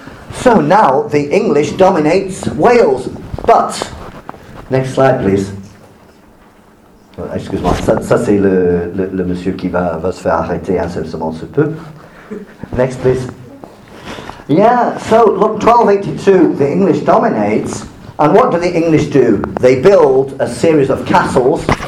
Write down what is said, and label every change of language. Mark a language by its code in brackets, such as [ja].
[en] So now the English dominates Wales, but next slide, please. Excuse me. [fr] Ça c'est le monsieur qui va se faire arrêter incessamment sous peu. [en] Next, please. Yeah. So look, 1282. The English dominates, and what do the English do? They build a series of castles.